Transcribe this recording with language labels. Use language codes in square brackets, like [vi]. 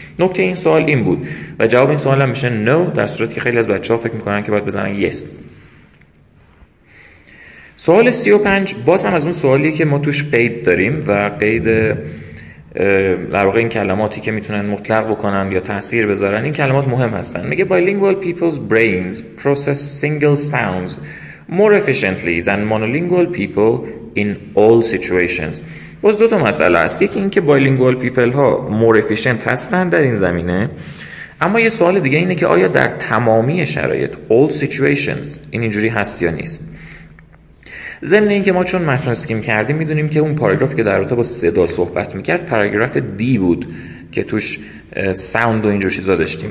[fa] نکته این سوال این بود و جواب این سوال هم میشه no، در صورتی که خیلی از بچه ها فکر میکنن که باید بزنن yes. سوال 35 باز هم از اون سوالی که ما توش قید داریم و قید در واقع این کلماتی که میتونن مطلق بکنن یا تأثیر بذارن، این کلمات مهم هستن. میگه [en] bilingual people's brains process single sounds more efficiently than monolingual people in all situations. [fa] باز دو تا مسئله هست، یکی این که [en] bilingual people [fa] ها [en] more efficient [fa] هستن در این زمینه، اما یه سوال دیگه اینه که آیا در تمامی شرایط [en] all situations [fa] این اینجوری هست یا نیست. ضمن اینکه ما چون متن اسکیم کردیم میدونیم که اون پاراگرافی که در رابطه با صدا صحبت میکرد پاراگراف دی بود که توش ساوند و اینجور چیزا داشتیم.